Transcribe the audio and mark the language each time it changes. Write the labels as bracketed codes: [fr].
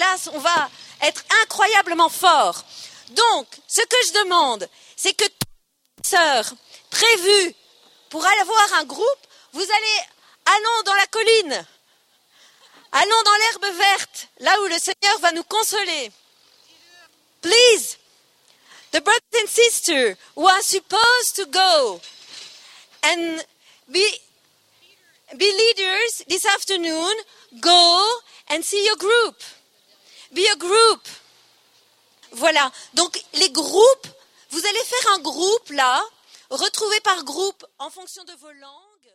[fr] Et là, on va être incroyablement fort. Donc, ce que je demande, c'est que toutes les sœurs prévues pour avoir un groupe, vous allez, allons dans la colline. Allons dans l'herbe verte, là où le Seigneur va nous consoler. [en] Please, the brothers and sisters who are supposed to go and be leaders this afternoon, go and see your group. Be a group. [fr] Voilà, donc les groupes, vous allez faire un groupe là, retrouvez par groupe en fonction de vos langues.